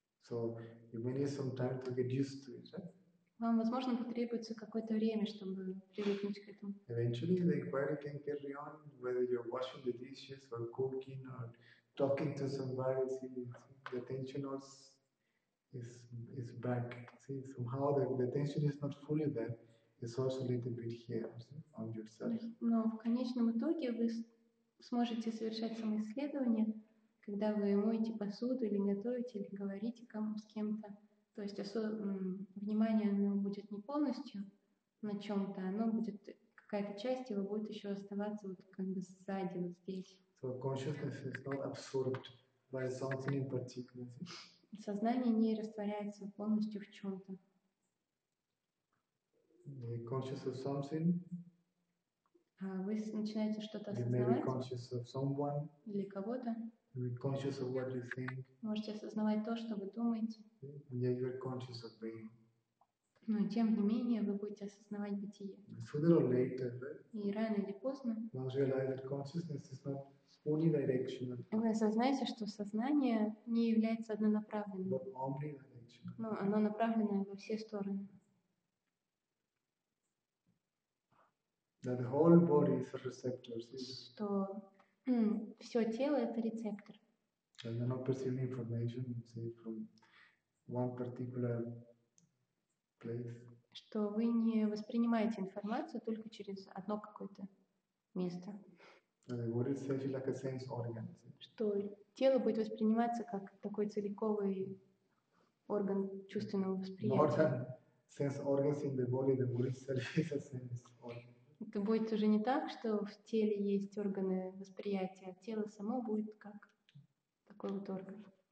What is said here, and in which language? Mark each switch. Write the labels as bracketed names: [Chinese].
[English] So you may need some time to get used to it, right? [Russian] Вам, возможно, потребуется какое-то время, чтобы привыкнуть к этому. [English] Eventually, the inquiry can carry on, whether you're washing the dishes or cooking or talking to somebody. See, the tension is back. See, somehow the tension is not fully there. It's also a little bit here on yourself. [Russian] Но в конечном итоге вы сможете совершать самоисследование, когда вы моете посуду или готовите или говорите с кем-то. То есть внимание оно будет не полностью на чем-то, оно будет какая-то часть его будет еще оставаться вот как бы сзади вот здесь. [English] So consciousness is not absorbed by something in particular. [Russian] Сознание не растворяется полностью в чем-то. [English] Are you conscious of something? [Russian] Вы начинаете что-то осознавать? [English] You may be conscious of someone. [Russian] Или кого-то? [English] You're conscious of what you think. [Russian] Можете осознавать то, что вы думаете. [English] And yet you're conscious of being. [Russian] Но тем не менее вы будете осознавать бытие. [English] Sooner or later, [Russian] и рано или поздно. [English] Once you realize that consciousness is not unidirectional. [Russian] Вы осознаете, что сознание не является однонаправленным. [English] But omnidirectional. [Russian] Но оно направлено во все стороны. [English] That the whole body is a receptor. [Russian] Что все тело это рецептор. [English] And they're not perceiving information, say, from one particular place. [Russian] Что вы не воспринимаете информацию только через одно какое-то место. [English] And the body is actually like a sense organ. [Russian] Что тело будет восприниматься как такой целиковый орган чувственного восприятия. [English] More than sense organs in the body itself is a sense organ. [Russian] Это будет уже не так, что в теле есть органы восприятия, а тело само будет как такой вот орган.